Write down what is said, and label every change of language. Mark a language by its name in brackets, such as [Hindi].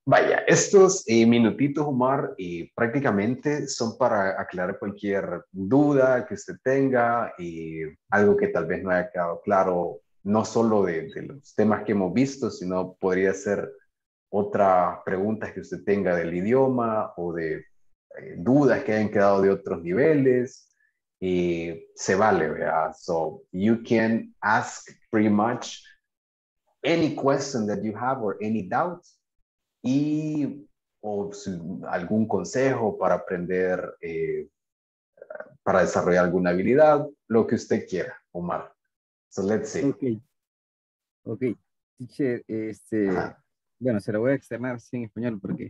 [Spanish] Vaya, estos minutitos, Omar, prácticamente son para aclarar cualquier duda que usted tenga y algo que tal vez no haya quedado claro, no solo de los temas que hemos visto, sino podría ser otras preguntas que usted tenga del idioma o de dudas que hayan quedado de otros niveles. Y se vale, ¿verdad? [English] So, you can ask pretty much any question that you have or any doubt. [Spanish] Y o algún consejo para aprender, para desarrollar alguna habilidad, lo que usted quiera, Omar. [English] So let's see. Okay. Okay. Teacher, ajá. [Spanish] Bueno, se lo voy a extremar así en español porque.